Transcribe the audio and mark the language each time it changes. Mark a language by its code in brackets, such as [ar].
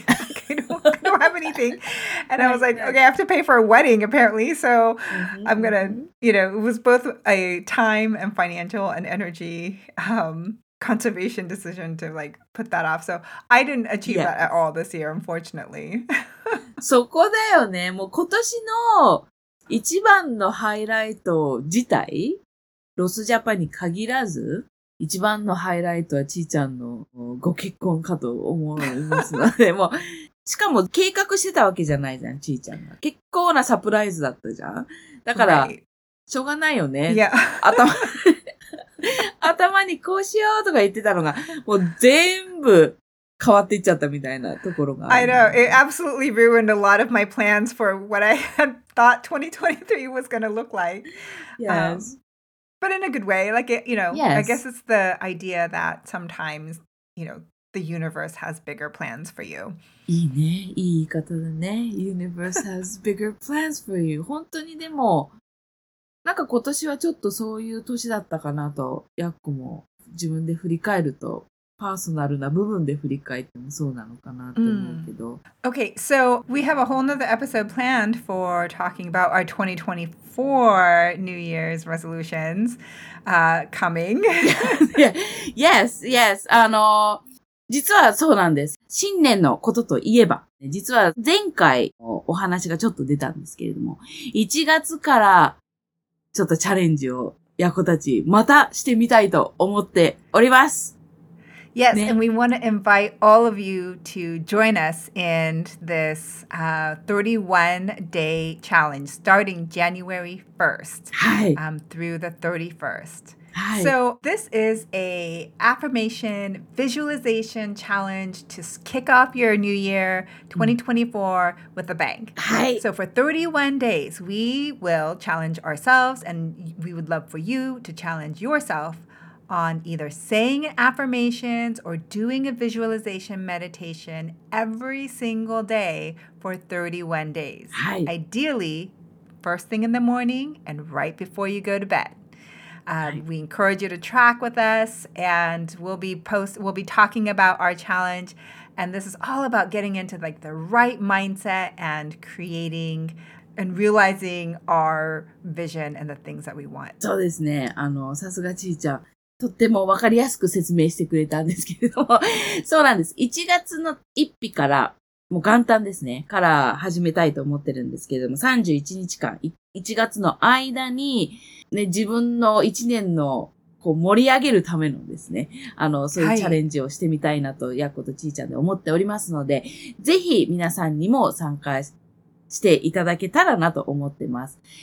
[en] I don't have anything. And I was like, okay, I have to pay for a wedding apparently. So I'm going to, you know, it was both a time and financial and energy conservation decision to like put that off. So I didn't achieve that at all this year, unfortunately. [ja] そこだよね。もう今年の一番のハイライト自体、ロスジャパンに限らず、一番のハイライトはちーちゃんのご結婚かと思いますので、もう、しかも計画してたわけじゃないじゃん、ちーちゃんが。結構なサプライズだったじゃん。だから、しょうがないよね。いや、頭にこうしようとか言ってたのが、もう全部変わっていっちゃったみたいなところが。 [en] I know. It absolutely ruined a lot of my plans for what I had thought 2023 was going to look like. Yes. But in a good way, like, it, you know,、yes. I guess it's the idea that sometimes, you know, the universe has bigger plans for you. [ja] いいね、いい言い方だね。 [en] Universe has bigger plans for you. [ja] 本当にでも、なんか今年はちょっとそういう年だったかなと、やっこも自分で振り返るとパーソナルな部分で振り返ってもそうなのかなと思うけど、うん、 [en] Okay, so we have a whole other episode planned for talking about our 2024 New Year's resolutions coming. Yes, yes. [ja] 実はそうなんです。新年のことといえば、実は前回お話がちょっと出たんですけれども、1月からちょっとチャレンジをやこたちまたしてみたいと思っております。 [en] Yes,、ね、and we want to invite all of you to join us in this 31-day challenge starting January 1st、 [ja] はい、 [en] through the 31st. Hi. So this is a affirmation visualization challenge to kick off your new year 2024 with a bang. Hi. So for 31 days, we will challenge ourselves and we would love for you to challenge yourself on either saying affirmations or doing a visualization meditation every single day for 31 days. Hi. Ideally, first thing in the morning and right before you go to bed. We encourage you to track with us, and we'll be talking about our challenge. And this is all about getting into like the right mindset and creating and realizing our vision and the things that we want. [ja] そうですね。さすがちーちゃん。とってもわかりやすく説明してくれたんですけれども。そうなんです。 1月の1日から、もう元旦ですね、から始めたいと思ってるんですけれども、31日間、1月の間に、ね、自分の一年の、こう、盛り上げるためのですね、そういうチャレンジをしてみたいなと、はい、やっことちーちゃんで思っておりますので、ぜひ皆さんにも参加していただけたらなと思ってます。